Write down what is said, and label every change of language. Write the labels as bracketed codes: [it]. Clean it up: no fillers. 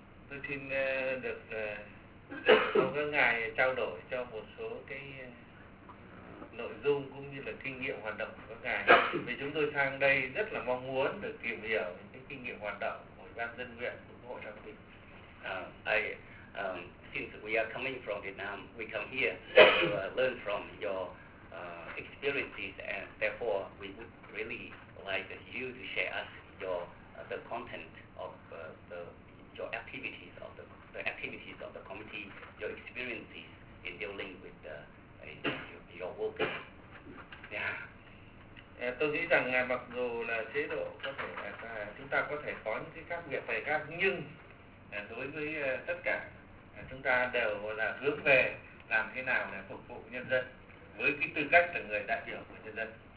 [vi] Tôi xin được trong các ngày trao đổi cho một số cái nội dung cũng như là kinh nghiệm hoạt động của các ngài. Vì chúng tôi sang đây rất là mong muốn được tìm hiểu những cái kinh nghiệm hoạt động của Ủy ban dân nguyện của Hội Đồng Tình. [en] Since we are coming from Vietnam, we come here to learn from your experiences, and therefore we would really like you to share us your the content of your activities of the activities of the committee, your experiences in dealing with your work. Yeah. [vi] Tôi nghĩ rằng mặc dù là chế độ có thể chúng ta có thể có những cái khác biệt về khác, nhưng đối với tất cả chúng ta đều là hướng về làm thế nào để phục vụ nhân dân với cái tư cách là người đại biểu của nhân dân.